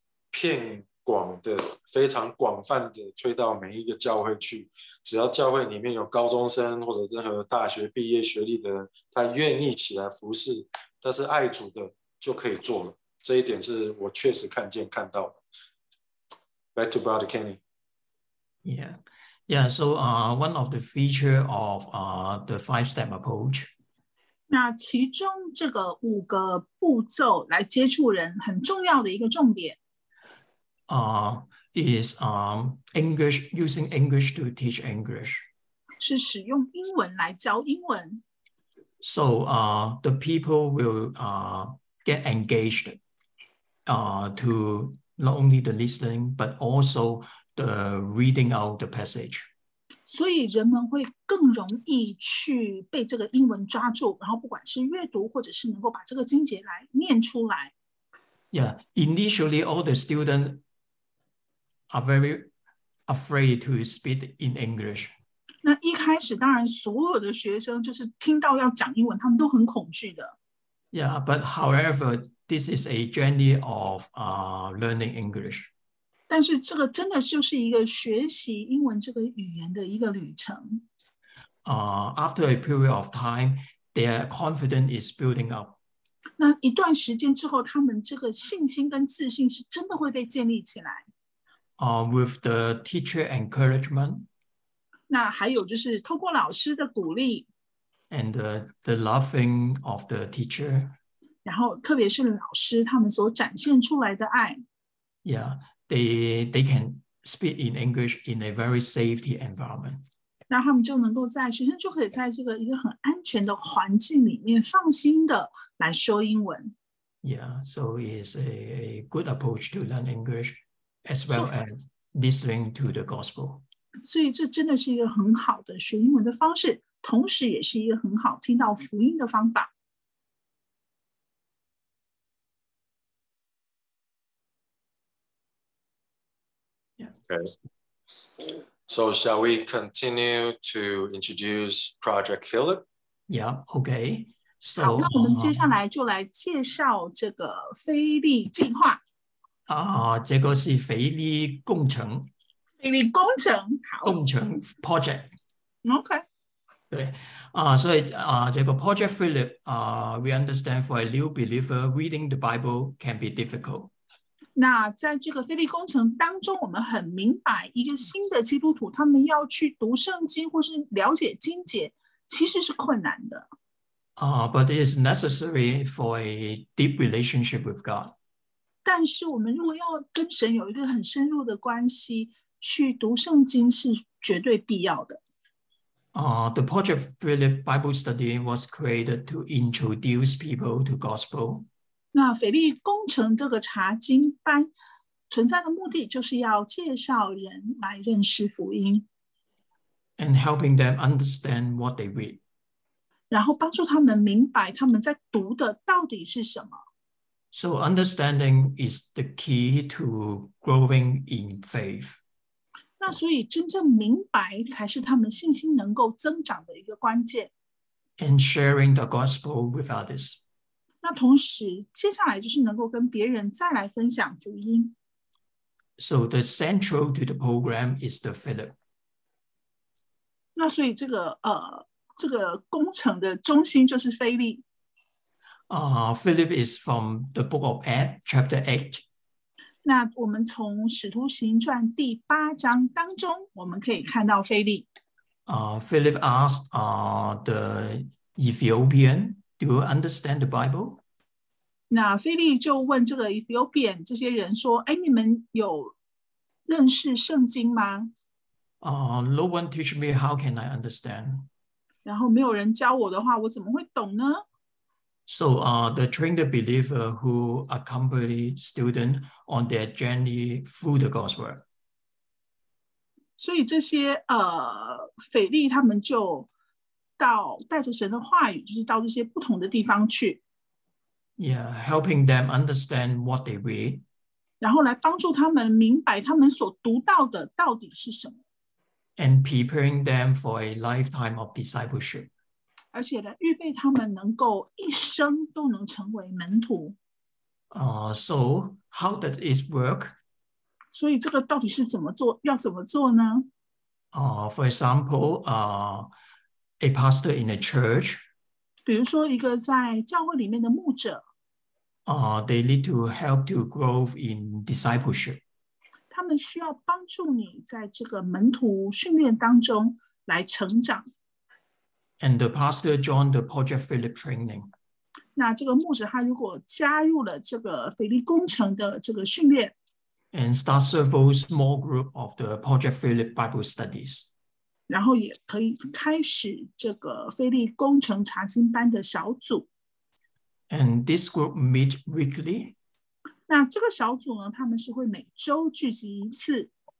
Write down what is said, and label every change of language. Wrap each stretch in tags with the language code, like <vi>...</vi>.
<zh>片广的非常广泛的推到每一个教会去，只要教会里面有高中生或者任何大学毕业学历的人，他愿意起来服侍，他是爱主的就可以做了。这一点是我确实看到的。</zh> <en>Back to Brother Kenny. Yeah, so one of the feature of the five-step approach.</en> <zh>那其中这个五个步骤来接触人很重要的一个重点、</zh> <en>is English, using English to teach English.</en> <zh>是使用英文来教英文。</zh> <en>So the people will get engaged to not only the listening, but also the reading out the passage.</en> <zh>所以人们会更容易去被这个英文抓住，然后不管是阅读或者是能够把这个经节来念出来。</zh> <en>Yeah, initially all the students are very afraid to speak in English.</en> <zh>那一开始当然所有的学生就是听到要讲英文他们都很恐惧的。</zh> <en>Yeah, but however, this is a journey of learning English.</en> <zh>但是这个真的就是一个学习英文这个语言的一个旅程。</zh> <en>After a period of time, their confidence is building up.</en> <zh>那一段时间之后，他们这个信心跟自信是真的会被建立起来。</zh> <en>With the teacher encouragement.</en> <zh>那还有就是透过老师的鼓励。</zh> <en>And the loving of the teacher.</en> <zh>然后特别是老师他们所展现出来的爱。</zh> <en>Yeah. They can speak in English in a very safety environment.</en> <zh>那他们就能够在学生就可以在这个一个很安全的环境里面放心的来说英文。</zh> <en>Yeah, so it's a good approach to learn English as well as listening to the gospel.</en> <zh>所以这真的是一个很好的学英文的方式，同时也是一个很好听到福音的方法。</zh> <en>Okay. So shall we continue to introduce Project Philip? Yeah, okay. So,</en> <zh>好，那我们接下来就来介绍这个菲利计划。这个是菲利工程。菲利工程，好。工程 Project.</zh> <en>Okay.</en> <zh>对，所以这个</zh> <en>Project Philip, we understand for a new believer, reading the Bible can be difficult.</en> <zh>那在这个菲利工程当中，我们很明白，一个新的基督徒他们要去读圣经或是了解经节，其实是困难的。</zh> <en>But it is necessary for a deep relationship with God.</en> <zh>但是我们如果要跟神有一个很深入的关系，去读圣经是绝对必要的。</zh> <en>The Project Philip Bible Study was created to introduce people to gospel.</en> <zh>那腓力工程这个查经班存在的目的就是要介绍人来认识福音</zh> <en>and helping them understand what they read.</en> <zh>然后帮助他们明白他们在读的到底是什么。</zh> <en>So understanding is the key to growing in faith.</en> <zh>那所以真正明白才是他们信心能够增长的一个关键。</zh> <en>And sharing the gospel with others.</en> <zh>那同时接下来就是能够跟别人再来分享福音。</zh> <en>So the central to the program is the Philip.</en> <zh>那所以这个工程的中心就是腓力。</zh> <en>Philip is from the book of Acts, chapter 8.</en> <zh>那我们从使徒行传第八章当中我们可以看到腓力。</zh> <en>Philip asked the Ethiopian,Do you understand the Bible?</en> <zh>那腓力就问这个 Ethiopian 这些人说，哎，你们有认识圣经吗？</zh> <en>No one teach me, how can I understand?</en> <zh>然后没有人教我的话，我怎么会懂呢？</zh> <en>So, the trained believer who accompany student on their journey through the gospel.</en> <zh>所以这些腓力他们就到带着神的话语，就是到这些不同的地方去。</zh> <en>Yeah, helping them understand what they read.</en> <zh>然后来帮助他们明白他们所读到的到底是什么。</zh> <en>And preparing them for a lifetime of discipleship.</en> <zh>而且来预备他们能够一生都能成为门徒。</zh> <en>So how does it work?</en> <zh>所以这个到底是怎么做？要怎么做呢？</zh> <en>For example, A pastor in a church.</en> <zh>比如说一个在教会里面的牧者。</zh> <en>They need to help to grow in discipleship.</en> <zh>他们需要帮助你在这个门徒训练当中来成长。</zh> <en>And the pastor joined the Project Philip training.</en> <zh>那这个牧者他如果加入了这个腓力工程的这个训练。</zh> <en>And start several small group of the Project Philip Bible studies.</en> <zh>然后也可以开始这个腓力工程查经班的小组。</zh> <en>And this group meet weekly.</en> <zh>那这个小组呢，他们是会每周聚集一次。</zh>